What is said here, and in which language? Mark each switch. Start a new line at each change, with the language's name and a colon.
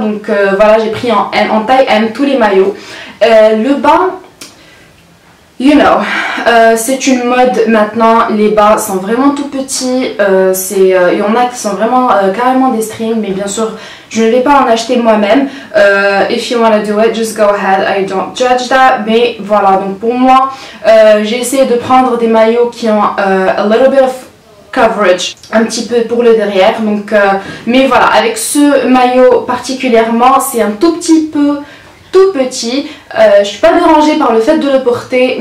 French: Donc voilà, j'ai pris en taille M tous les maillots. Le bas, you know, c'est une mode maintenant, les bas sont vraiment tout petits. Il y en a qui sont vraiment carrément des strings, mais bien sûr je ne vais pas en acheter moi-même.
English: If you wanna do it, just go ahead, I don't judge that.
French: Mais voilà, donc pour moi, j'ai essayé de prendre des maillots qui ont
English: a little bit of coverage,
French: un petit peu pour le derrière. Donc, mais voilà, avec ce maillot particulièrement, c'est un tout petit peu tout petit. Je suis pas dérangée par le fait de le porter.